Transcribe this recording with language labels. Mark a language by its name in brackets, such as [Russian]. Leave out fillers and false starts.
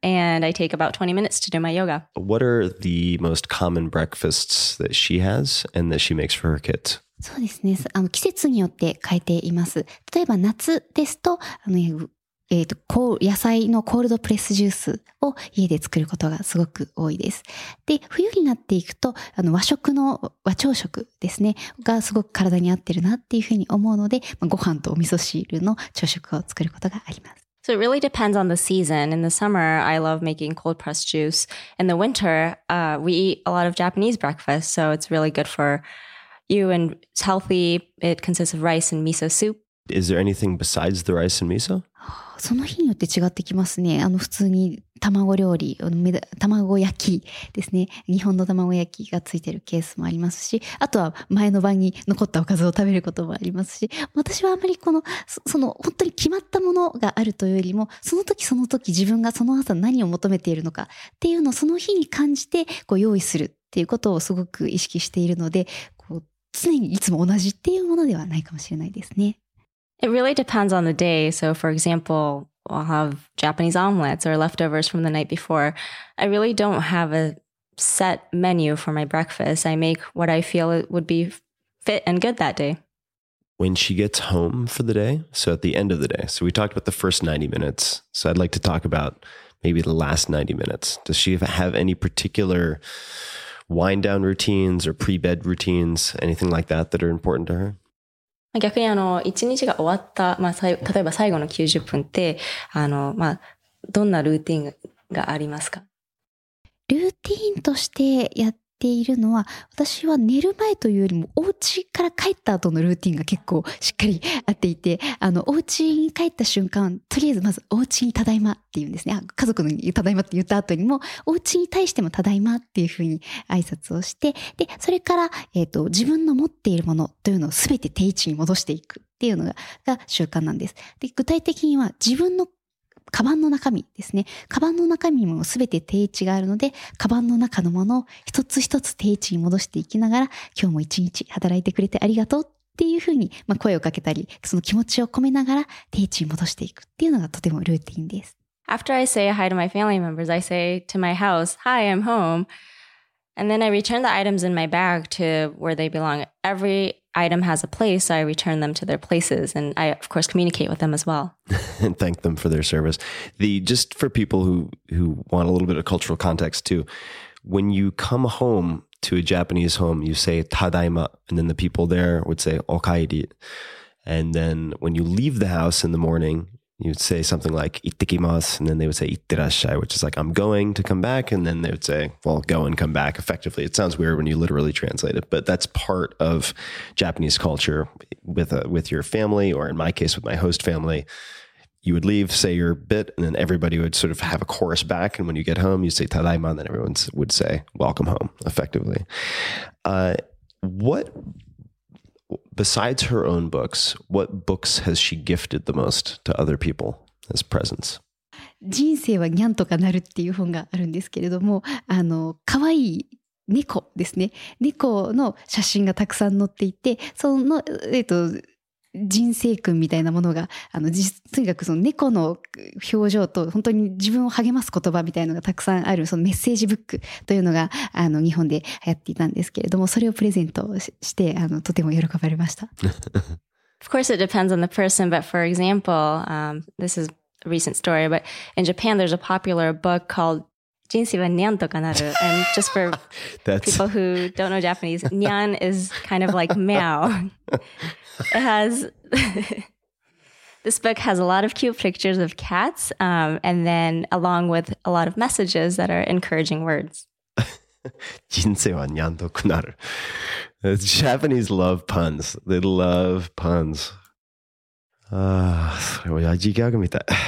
[English] and I take about 20 minutes to do my yoga. What are the most common breakfasts that she has and that she makes for her kids? [Japanese] そうですね。季節によって変えています。例えば夏ですと、野菜のコールドプレスジュースを家で作ることがすごく多いです。で、冬になっていくと、あの和食の和朝食ですねがすごく体に合ってるなっていうふうに思うので、まあ、ご飯とお味噌汁の朝食を作ることがあります。 [English] So it really depends on the season. In the summer, I love making cold pressed juice. In the winter, we eat a lot of Japanese breakfast, so it's really good for you and it's healthy. It consists of rice and miso soup. Is there anything besides the rice and miso? [Japanese] その日によって違ってきますね。あの普通に卵料理、卵焼きですね。日本の卵焼きがついてるケースもありますし、あとは前の晩に残ったおかずを食べることもありますし、私はあまりこの、その本当に決まったものがあるというよりも、その時その時自分がその朝何を求めているのかっていうのをその日に感じてこう用意するっていうことをすごく意識しているので、こう常にいつも同じっていうものではないかもしれないですね。 [English] It really depends on the day. So for example, I'll have Japanese omelets or leftovers from the night before. I really don't have a set menu for my breakfast. I make what I feel would be fit and good that day. When she gets home for the day, so at the end of the day, so we talked about the first 90 minutes. So I'd like to talk about maybe the last 90 minutes. Does she have any particular wind down routines or pre-bed routines, anything like that that are important to her? [Japanese] 逆にあの一日が終わった、まあ、例えば最後の90分ってあの、まあ、どんなルーティーンがありますか？ルーティーンとしてやっているのは、私は寝る前というよりもお家から帰った後のルーティーンが結構しっかりあっていて、あのお家に帰った瞬間、とりあえずまずお家にただいまっていうんですね。家族にただいまって言った後にもお家に対してもただいまっていうふうに挨拶をして、でそれから、自分の持っているものというのをすべて定位置に戻していくっていうのが習慣なんです。で具体的には自分のカバンの中身ですね。カバンの中身もすべて定位置があるので、カバンの中のものを一つ一つ定位置に戻していきながら、今日も一日働いてくれてありがとうっていうふうに、まあ、声をかけたり、その気持ちを込めながら定位置に戻していくっていうのがとてもルーティンです。 [English] After I say hi to my family members, I say to my house, hi, I'm home. And then I return the items in my bag to where they belong. Every item has a place, so I return them to their places, and I, of course, communicate with them as well. And thank them for their service. The, just for people who want a little bit of cultural context too, when you come home to a Japanese home, you say tadaima, and then the people there would say okaeri. And then when you leave the house in the morning, you'd say something like ittekimasu, and then they would say itterashai, which is like, I'm going to come back. And then they would say, well, go and come back effectively. It sounds weird when you literally translate it, but that's part of Japanese culture with your family, or in my case, with my host family. You would leave, say your bit, and then everybody would sort of have a chorus back. And when you get home, you say tadaima, and then everyone would say welcome home effectively. What... Besides her own books, what books has she gifted the most to other people as presents? [Japanese] 人生はニャンとかなるっていう本があるんですけれども、あの可愛い猫ですね。猫の写真がたくさん載っていて、その人生訓みたいなものが、あのとにかくその猫の表情と本当に自分を励ます言葉みたいなのがたくさんある、そのメッセージブックというのがあの日本で流行っていたんですけれども、それをプレゼントして、あのとても喜ばれました。 [English] Of course it depends on the person, but for example, this is a recent story, but in Japan there's a popular book called 人生はニャンとかなる。 And just for people who don't know Japanese, ニャン is kind of like meow. It has, this book has a lot of cute pictures of cats, and then along with a lot of messages that are encouraging words. [Japanese] 人生はにゃんとくなる。 [English] Japanese love puns. They love puns. [Japanese] それは親父ギャグみたい。